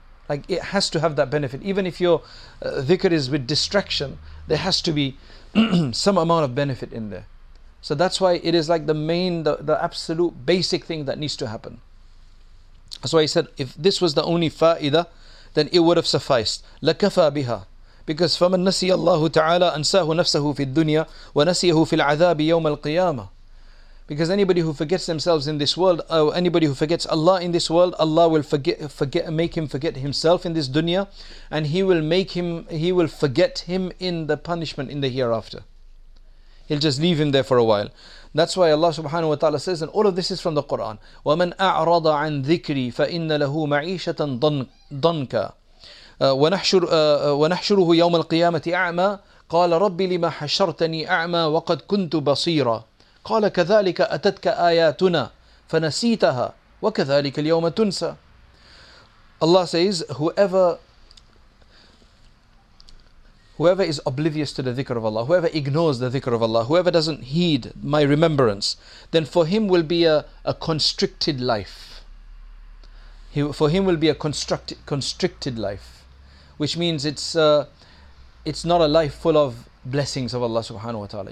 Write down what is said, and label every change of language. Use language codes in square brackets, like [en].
[en] Like, it has to have that benefit. Even if your dhikr is with distraction, there has to be some amount of benefit in there. So that's why it is like the main, the absolute basic thing that needs to happen. That's why he said, if this was the only fa'idah, then it would have sufficed. [ar] لَكَفَى بِهَا. [en] Because [ar] فَمَنْ نَسِيَ اللَّهُ تَعَالَى أَنْسَاهُ نَفْسَهُ فِي الدُّنْيَا وَنَسِيَهُ فِي الْعَذَابِ يَوْمَ الْقِيَامَةِ. [en] Because anybody who forgets themselves in this world, or anybody who forgets Allah in this world, Allah will make him forget himself in this dunya, and he will forget him in the punishment in the hereafter. He'll just leave him there for a while. That's why Allah subhanahu wa ta'ala says, and all of this is from the Quran, [ar] وَمَنْ أَعْرَضَ عَنْ ذِكْرِي فَإِنَّ لَهُ مَعِيشَةً ضَنْكَ وَنَحْشُرُهُ يَوْمَ الْقِيَامَةِ أَعْمَى قَالَ رَبِّ لِمَا حَشَّرْتَنِي أَعْمَى وَقَدْ كُنْتُ بَصِيرًا قَالَ كَذَلِكَ أَتَتْكَ آيَاتُنَا فَنَسِيتَهَا وَكَذَلِكَ الْيَوْمَ تُنْسَى. [en] Allah says, whoever is oblivious to the dhikr of Allah, whoever ignores the dhikr of Allah, whoever doesn't heed my remembrance, then for him will be a constricted life. For him will be a constricted life, which means it's not a life full of blessings of Allah subhanahu wa ta'ala.